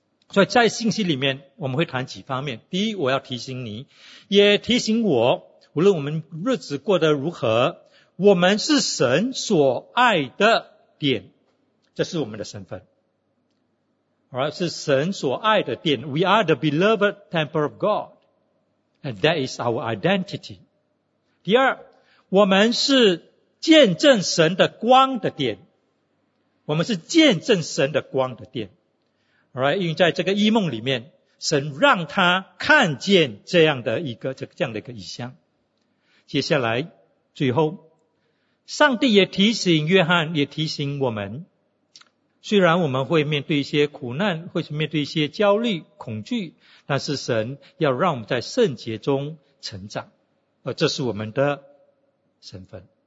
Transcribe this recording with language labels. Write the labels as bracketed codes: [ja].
[zh] 所以在信息里面我们会谈几方面，第一，我要提醒你，也提醒我，无论我们日子过得如何，我们是神所爱的殿，这是我们的身份。 [en] All right, [zh] 是神所爱的殿。 [en] We are the beloved temple of God, and that is our identity. [zh] 第二，我们是见证神的光的殿，我们是见证神的光的殿。 [en] All right, [zh] 因为在这个异梦里面，神让他看见这样的一个意象。接下来最后，上帝也提醒约翰，也提醒我们，虽然我们会面对一些苦难，会面对一些焦虑恐惧，但是神要让我们在圣洁中成长，而这是我们的身份。